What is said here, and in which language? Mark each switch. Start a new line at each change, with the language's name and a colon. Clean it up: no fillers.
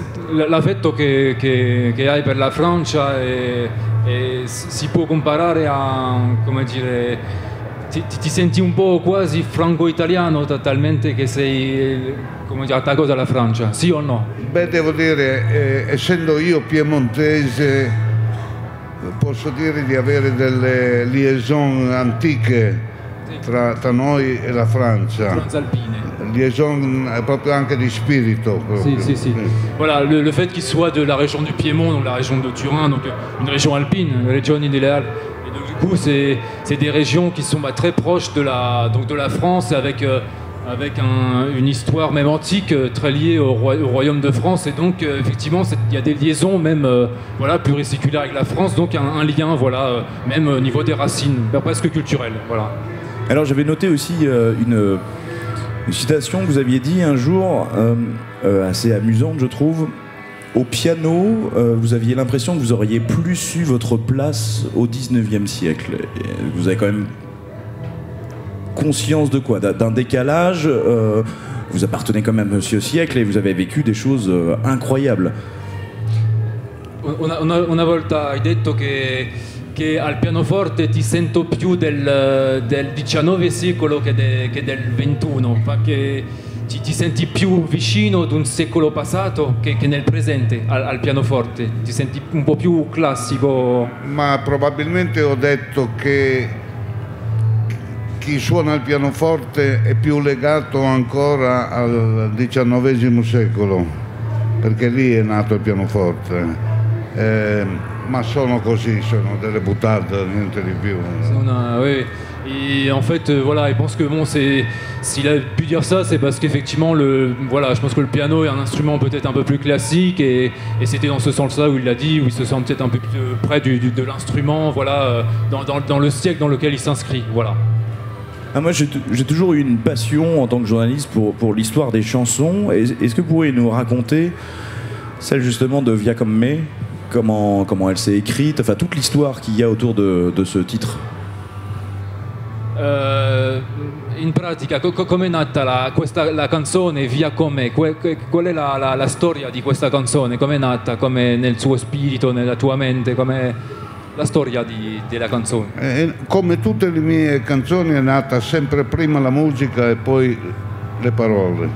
Italian: L'affetto che hai per la Francia e si può comparare a, come dire, ti senti un po' quasi franco-italiano, talmente che sei, come dire, attaccato alla Francia, sì o no? Beh, devo dire, essendo io piemontese, posso dire di avere delle liaison antiche tra noi e la Francia. Transalpine. Liaison proprio anche di spirito. Sì, sì, sì.
French: Voilà, le fait qu'il soit de la région du Piémont, donc la région de Turin, donc une région alpine, la région
Italian: delle Alpes.
French: Et donc, du coup, c'est des régions qui sont très proches de la France, avec une histoire même antique très liée au royaume de France. Et donc effectivement, il y a des liaisons même pluriséculaires avec la France, donc un lien même au niveau des racines, presque culturel. Voilà. Alors j'avais noté aussi une citation que vous aviez dit un jour, assez amusante je trouve. Au piano, vous aviez l'impression que vous auriez plus eu votre place au 19e siècle. Et vous avez quand même conscience de quoi? D'un décalage, vous appartenez quand même au siècle et vous avez vécu des choses incroyables.
Italian: Una volta hai detto che al pianoforte ti sento più del 19 secolo che del 21, perché ti senti più vicino ad un secolo passato che nel presente al pianoforte, ti senti un po' più classico. Ma probabilmente ho detto che chi suona il pianoforte è più legato ancora al 19 secolo, perché lì è nato il pianoforte.
French: Mais sont comme ça, sont des boutades, rien de plus. Oui. Et en fait, il pense que s'il a pu dire ça, c'est parce qu'effectivement, je pense que le piano est un instrument peut-être un peu plus classique, et c'était dans ce sens-là où il l'a dit, où il se sent peut-être un peu plus près de l'instrument, dans le siècle dans lequel il s'inscrit. Voilà. Ah, moi, j'ai toujours eu une passion en tant que journaliste pour l'histoire des chansons. Est-ce que vous pouvez nous raconter celle justement de Via Comme Me? Comment elle s'est écrite, enfin toute l'histoire qu'il y a autour de ce titre.
Italian: In pratica, come è nata la canzone Via Comme? Qual è la storia di questa canzone? Come è nata? Come nel suo spirito, nella tua mente? Come la storia della canzone? Come tutte le mie canzoni è nata sempre prima la musica e poi le parole.